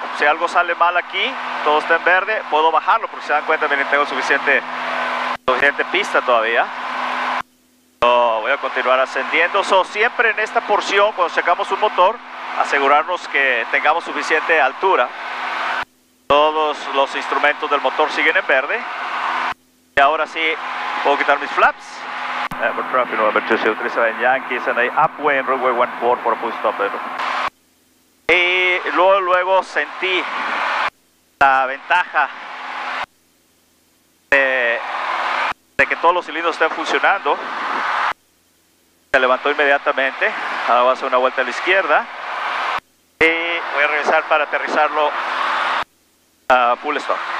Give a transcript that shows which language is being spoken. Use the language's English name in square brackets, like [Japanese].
[Spanish] Si algo sale mal aquí, todo está en verde, puedo bajarlo, porque se dan cuenta, miren, tengo suficiente pista todavía. Voy a continuar ascendiendo. Siempre en esta porción, cuando sacamos un motor, asegurarnos que tengamos suficiente altura. Todos los instrumentos del motor siguen en verde. Y ahora sí, puedo quitar mis flaps. [English] Edinburgh Traffic, November 2037 Yankees, and they upwind runway 14 for a full stop. [Spanish] Y luego sentí la ventaja de que todos los cilindros estén funcionando. Se levantó inmediatamente. Ahora voy a hacer una vuelta a la izquierda. Y voy a regresar para aterrizarlo a [English] full stop.